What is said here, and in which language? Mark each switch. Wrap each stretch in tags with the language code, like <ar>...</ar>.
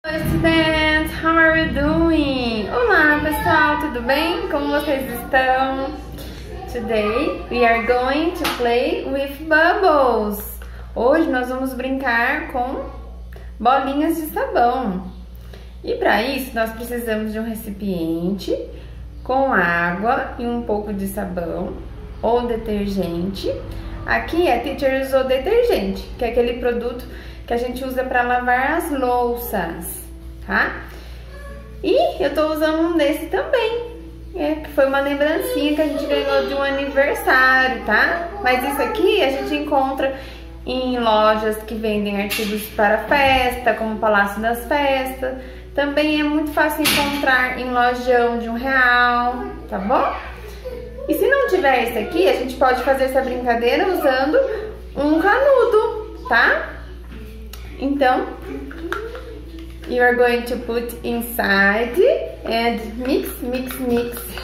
<en>Students, how are you doing?</en> <pt>Olá, pessoal, tudo bem? Como vocês estão?</pt> <en>Today we are going to play with bubbles.</en> <pt>Hoje nós vamos brincar com bolinhas de sabão. E para isso nós precisamos de um recipiente com água e um pouco de sabão ou detergente. Aqui a teacher usou detergente, que é aquele produto que a gente usa para lavar as louças. Tá? E eu tô usando um desse também, que foi uma lembrancinha que a gente ganhou de um aniversário, tá? Mas isso aqui a gente encontra em lojas que vendem artigos para festa, como o Palácio das Festas. Também é muito fácil encontrar em lojão de R$1, tá bom? E se não tiver esse aqui, a gente pode fazer essa brincadeira usando um canudo, tá?</pt> <en>Então, you are going to put inside and mix, mix, mix.</en>